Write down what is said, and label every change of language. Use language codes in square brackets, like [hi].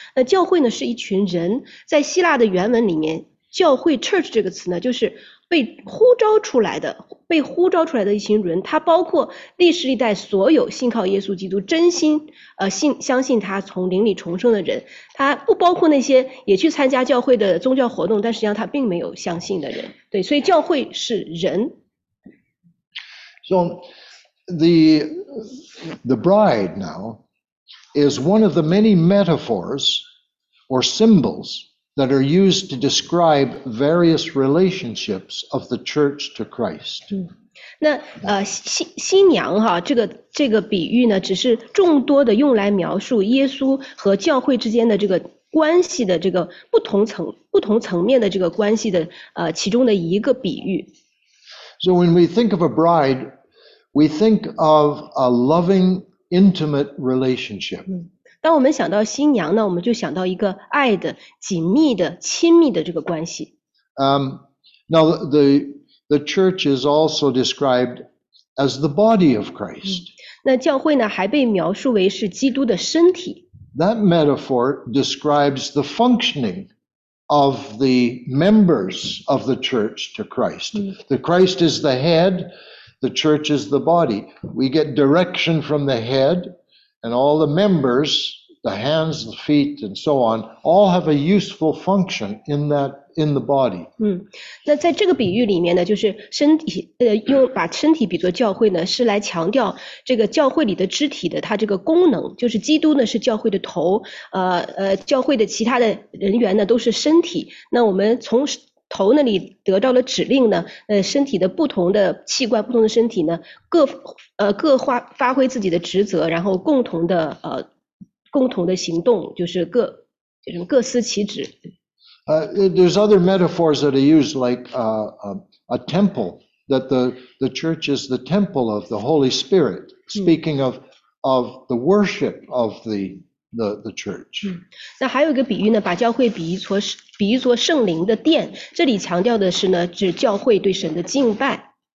[zh] 那教会呢是一群人。在希腊的原文里面，教会 church 这个词呢，就是被呼召出来的，被呼召出来的一群人，他包括历史历代所有信靠耶稣基督、真心相信他从灵里重生的人，他不包括那些也去参加教会的宗教活动，但实际上他并没有相信的人。对，所以教会是人。 [en] So the bride now is one of the many metaphors or symbols that are used to describe various relationships of the church to Christ. [zh] 那新娘哈，这个比喻呢，只是众多的用来描述耶稣和教会之间的这个关系的这个不同层面的这个关系的其中的一个比喻。 [en] So when we think of a bride, we think of a loving, intimate relationship. [zh] 当我们想到新娘呢，我们就想到一个爱的、紧密的、亲密的这个关系。 [en] Now the church is also described as the body of Christ. [zh] 那教会呢，还被描述为是基督的身体。 [en] That metaphor describes the functioning of the members of the church to Christ. The Christ is the head, the church is the body. We get direction from the head. And all the members the hands, the feet, and so on, all have a useful function in that, in the body. [zh] 嗯，那在这个比喻里面呢，就是身体，用把身体比作教会呢，是来强调这个教会里的肢体的它这个功能，就是基督呢是教会的头，教会的其他的人员呢都是身体。那我们从头那里得到了指令呢，身体的不同的器官、不同的身体呢，各发挥自己的职责，然后共同的行动，就是各司其职。 [en] There's other metaphors that are used, like a temple, that the church is the temple of the Holy Spirit, speaking of the worship of the church. [zh] 那还有一个比喻呢，把教会比喻作圣灵的殿，这里强调的是呢，指教会对神的敬拜。